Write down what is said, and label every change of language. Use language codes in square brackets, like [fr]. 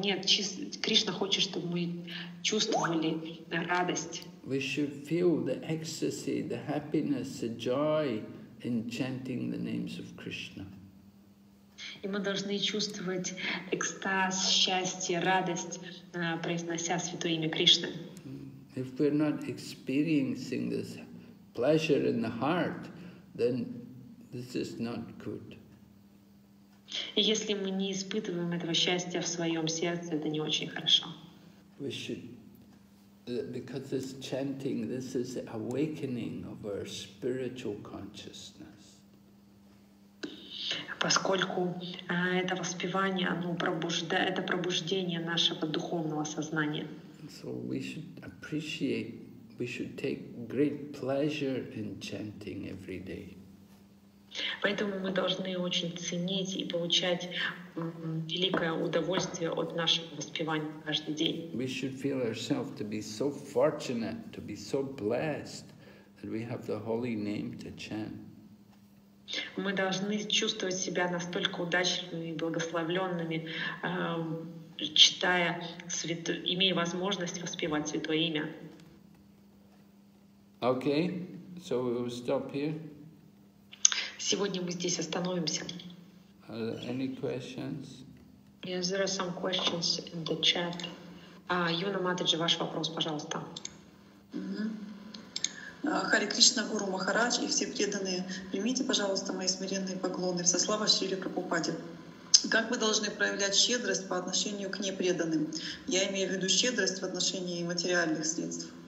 [ru] Нет, Кришна хочет, чтобы мы чувствовали радость. [en] We should feel the ecstasy, the happiness, the joy in chanting the names of Krishna. [ru] И мы должны чувствовать экстаз, счастье, радость, произнося святое имя Кришны. [en] If we're not experiencing this pleasure in the heart, then this is not good. [ru] Если мы не испытываем этого счастья в своем сердце, это не очень хорошо. [en] We should, because this chanting, this is awakening of our spiritual consciousness. [ru] Поскольку это воспевание, оно пробуждает, это пробуждение нашего духовного сознания. [en] So we should appreciate, we should take great pleasure in chanting every day. [ru] Поэтому мы должны очень ценить и получать великое удовольствие от нашего воспевания каждый день. [en] We should feel ourselves to be so fortunate, to be so blessed that we have the holy name to chant. [ru] Мы должны чувствовать себя настолько удачными и благословленными, читая имея возможность воспевать Святое Имя. [en] Okay, so we will stop here. [ru] Сегодня мы здесь остановимся. [en] Are there any questions? Yes, there are some questions in the chat. [ru] Юна Матаджи, ваш вопрос, пожалуйста. Хари Кришна, Гуру Махарадж и все преданные, примите, пожалуйста, мои смиренные поклоны. Со слава Шриле Прабхупаде. Как мы должны проявлять щедрость по отношению к непреданным? Я имею в виду щедрость в отношении материальных средств.